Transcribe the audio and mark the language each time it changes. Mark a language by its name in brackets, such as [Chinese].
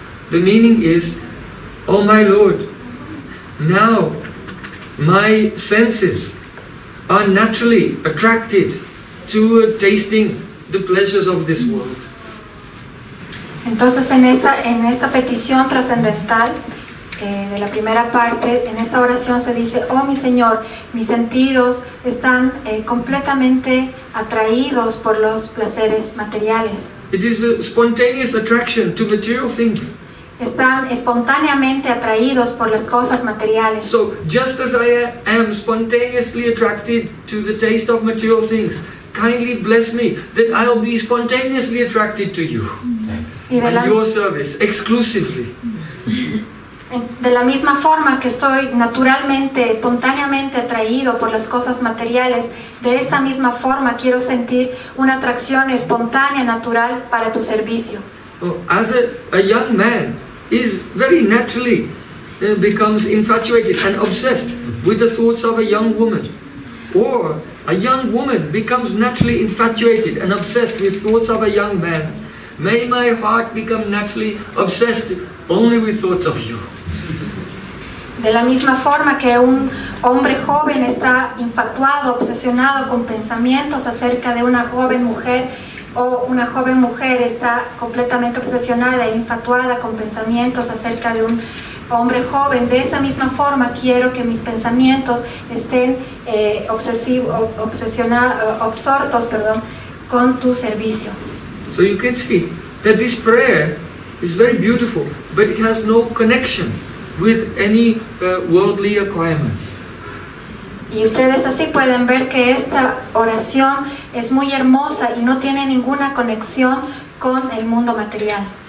[English] The meaning is, O my Lord, now my senses are naturally attracted to tasting the pleasures of this world. [Spanish] Entonces en esta petición trascendental de la primera parte, en esta oración se dice, oh mi Señor, mis sentidos están completamente atraídos por los placeres materiales. [English] It is a spontaneous attraction to material things. [Spanish] Están espontáneamente atraídos por las cosas materiales. [English] So, just as I am spontaneously attracted to the taste of material things, kindly bless me that I'll be spontaneously attracted to you and your service exclusively. [Spanish] De la misma forma que estoy naturalmente, espontáneamente atraído por las cosas materiales, de esta misma forma quiero sentir una atracción espontánea, natural para tu servicio. [English] As a young man is very naturally becomes infatuated and obsessed with the thoughts of a young woman, or a young woman becomes naturally infatuated and obsessed with thoughts of a young man, may my heart become naturally obsessed only with thoughts of you. [Spanish] De la misma forma que un hombre joven está infatuado, obsesionado con pensamientos acerca de una joven mujer, o una joven mujer está completamente obsesionada e infatuada con pensamientos acerca de un hombre joven, de esa misma forma quiero que mis pensamientos estén absortos con tu servicio. [English] So you can see that this prayer is very beautiful, but it has no connection with any worldly acquirements. [Spanish] Y ustedes así pueden ver que esta oración es muy hermosa y no tiene ninguna conexión con el mundo material.